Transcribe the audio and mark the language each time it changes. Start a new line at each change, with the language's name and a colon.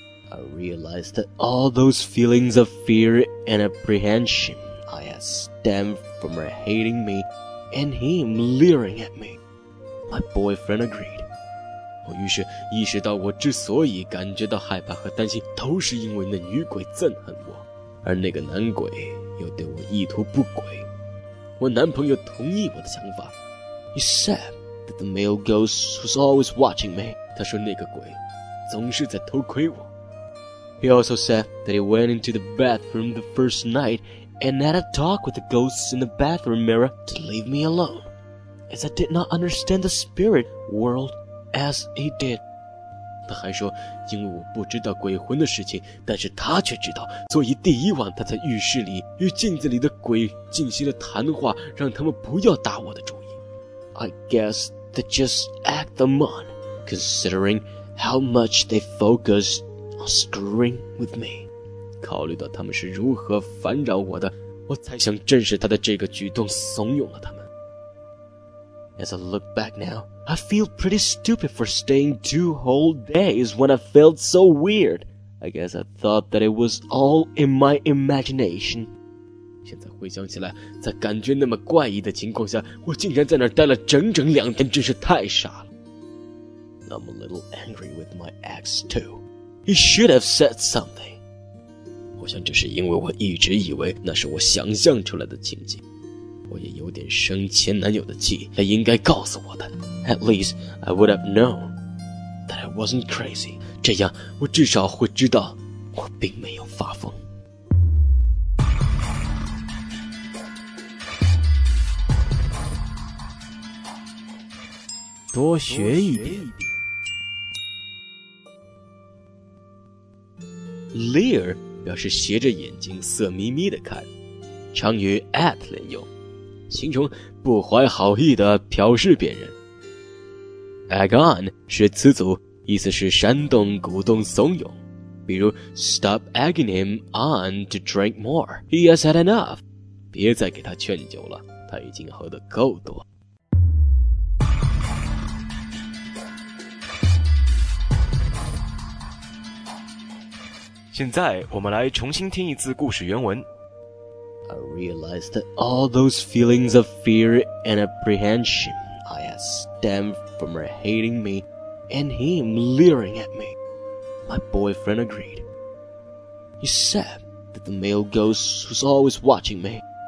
English: I realized that all those feelings of fear and apprehension I had stemmed from her hating me and him leering at me. My boyfriend agreed.
Chinese: 我于是意识到我之所以感觉到害怕和担心，都是因为那女鬼憎恨我，而那个男鬼又对我意图不轨。我男朋友同意我的想法。
English: He said,that the male ghost was always watching me.
Chinese: 他说那个鬼总是在偷窥我。
English: He also said that he went into the bathroom the first night and had a talk with the ghosts in the bathroom mirror to leave me alone, as I did not understand the spirit world as he did.
Chinese: 他还说因为我不知道鬼魂的事情，但是他却知道，所以第一晚他在浴室里与镜子里的鬼进行了谈话，让他们不要打我的主意。
English: I guess they just act them on, considering how much they focused on screwing with me.
Chinese: 考虑到他们是如何烦扰我的，我才想正视他的这个举动怂恿了他们。
English: As I look back now, I feel pretty stupid for staying two whole days when I felt so weird. I guess I thought that it was all in my imagination.
Chinese: 现在回想起来，在感觉那么怪异的情况下，我竟然在那儿待了整整两天，真是太傻了。
English: I'm a little angry with my ex too. He should have said something.
Chinese: 我想这是因为我一直以为那是我想象出来的情景。我也有点生前男友的气，他应该告诉我的。
English: At least I would have known that I wasn't crazy.
Chinese: 这样我至少会知道我并没有发疯。多学一点。 Leer 表示斜着眼睛色眯眯的看，常与 at 连用，形容不怀好意的瞟视别人。 Egg on 是词组，意思是煽动、鼓动、怂恿，比如
English: Stop egging him on to drink more. He has had enough.
Chinese: 别再给他劝酒了，他已经喝得够多。现在我们来重新听一次故事原文。
English: I realized that all those feelings of fear and apprehension I had stemmed from her hating me and him leering at me. My boyfriend agreed. He said that the male ghost was always watching me.